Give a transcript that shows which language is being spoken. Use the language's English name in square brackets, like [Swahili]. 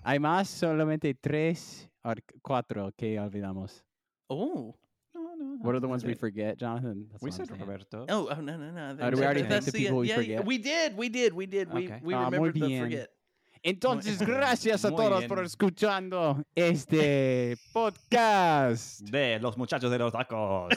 [Spanish] Hay más, solamente 3 or 4 que olvidamos. Oh. [English] What are the ones we forget, Jonathan? That's we said Roberto. Oh, no. Did we already thank the people we forget? We did. Okay. We remembered the forget. [Spanish] Entonces, gracias a todos por escuchando este podcast. De los muchachos de los tacos.